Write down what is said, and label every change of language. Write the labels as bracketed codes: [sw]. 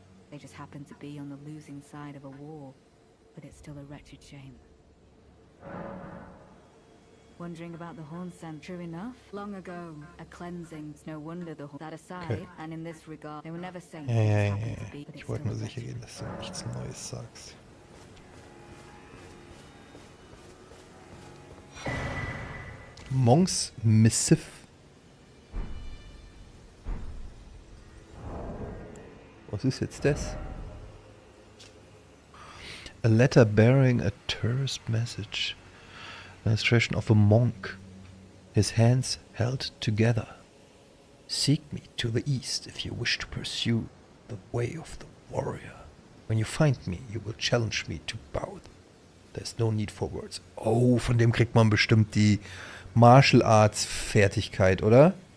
[en] They just happen to be on the losing side of a war, but it's still a wretched shame. Wondering about the horn scent, true enough? Long ago, a cleansing, it's no wonder the horn... That aside, okay. And in this regard, they were never saints. [de] Ja, ja, ja, ja. Ich wollte nur sicher gehen, dass du nichts Neues sagst. [en] Monks Missive. [de] Was ist jetzt das? [en] A letter bearing a terse message. An illustration of a monk. His hands held together. Seek me to the east if you wish to pursue the way of the warrior. When you find me, you will challenge me to bout. There's no need for words. [de] Oh, von dem kriegt man bestimmt die Martial Arts Fertigkeit, oder?